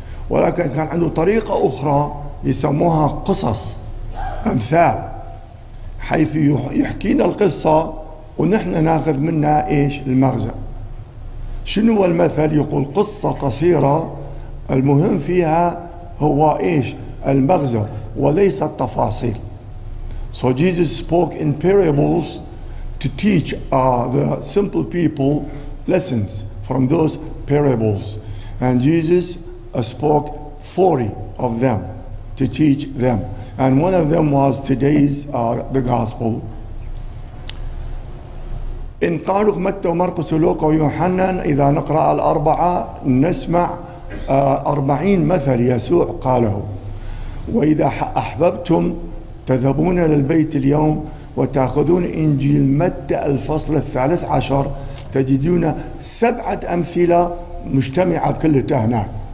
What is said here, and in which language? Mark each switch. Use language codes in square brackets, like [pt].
[ar] ولكن كان عنده طريقة أخرى يسموها قصص أمثال، حيث يحكينا القصة ونحن ناخذ منها إيش المغزى. شنو المثل؟ يقول قصة قصيرة المهم فيها هو إيش المغزى وليس التفاصيل. [en] So Jesus spoke in parables to teach the simple people lessons from those parables. And Jesus spoke 40 of them to teach them. And one of them was today's the gospel. [ar] إن قارق متى ومرقس ولوقا ويوحنا إذا نقرأ الأربعة نسمع 40 مثل يسوع قاله. وإذا أحببتم تذهبون للبيت اليوم وتأخذون إنجيل متى الفصل 13 تجدون 7 أمثلة مجتمعة كلها هناك.